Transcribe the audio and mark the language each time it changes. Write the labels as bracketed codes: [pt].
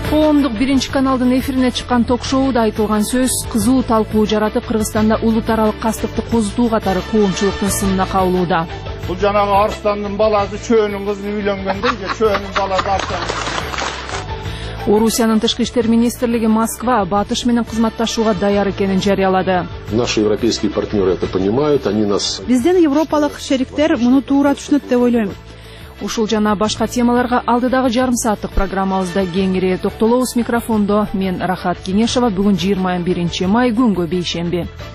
[ky] Коомдук биринчи каналдын эфирине чыккан ток-шоуда айтылган сөз кызуу талкуу жаратып, Кыргызстанда улут аралык кастыкты козутуу катары коомчулуктун сынына кабылууда. Бул жанагы арстандын баласы чөөнүн кызын үйлөнгөндөй же, чөөнүн баласы арстан. Орусиянын тышкы иштер министрлиги Москва батыш менен кызматташууга даяр экенин жарыялады. [ru] Наши европейские партнеры это понимают, они нас. [ky] Биздин европалык шериктер муну туура түшүнөт деп ойлойм. Ушул жана башка темаларга алдыдагы жарым сааттык программабызда кеңирээ токтолобуз. Микрофондо мен Рахат Кеңешова. Бүгүн 21 май күнгө бейшемби.